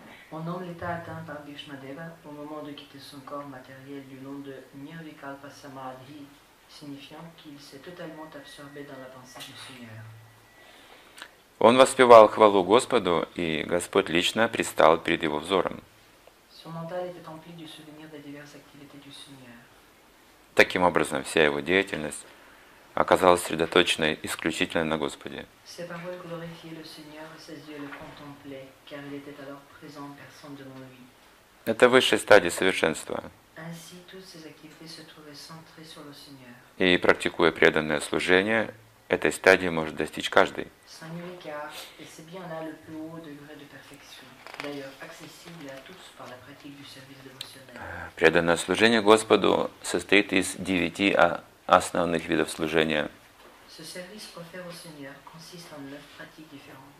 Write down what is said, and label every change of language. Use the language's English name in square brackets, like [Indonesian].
[French] Un homme l'état atteint par Bhishmadeva au moment de quitter son corps matériel du nom de Nirvikalpa Samadhi, signifiant qu'il s'est totalement absorbé dans la pensée du Seigneur. [Russian] Он воспевал хвалу Господу, и Господь лично предстал перед его взором. [French] Son mental était empli du souvenir des diverses activités du Seigneur. [Russian] Таким образом, вся его деятельность оказалась сосредоточена исключительно на Господе. [French] Ses paroles glorifiaient le Seigneur et ses yeux le contemplaient, car il était alors présent personne devant lui. [Russian] Это высшая стадия совершенства. [French] Ainsi, toutes ses activités se trouvaient centrées sur le Seigneur. [Russian] И практикуя преданное служение, этой стадии может достичь каждый. [French] Saint-Nuricard, et c'est bien là le plus haut degré de perfection, d'ailleurs accessible à tous par la pratique du service dévotionnel. [Russian] Преданное служение Господу состоит из 9 основных видов служения. [French] Ce service offert au Seigneur consiste en 9 pratiques différentes.